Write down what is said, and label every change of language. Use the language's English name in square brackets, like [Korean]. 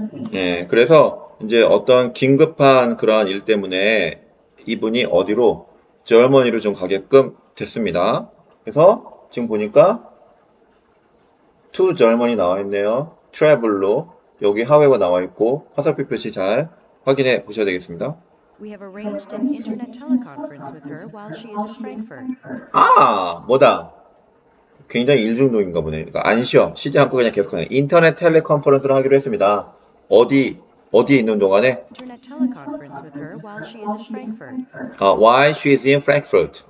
[Korean] 네, 그래서 이제 어떤 긴급한 그러한 일 때문에 이분이 어디로? 저머니로 좀 가게끔 됐습니다. 그래서 지금 보니까 to 저머니 나와 있네요. travel로 여기 however 나와 있고 화살표 표시 잘 확인해 보셔야 되겠습니다. [English] We have arranged an internet teleconference with her while she is in Frankfurt. [Korean] 아, 뭐다? 굉장히 일중독인가 보네. 그러니까 안 쉬어. 쉬지 않고 그냥 계속 하네. 인터넷 텔레컨퍼런스를 하기로 했습니다. 어디에 있는 동안에? [English] Internet teleconference with her while she is in Frankfurt. 아, why she is in Frankfurt.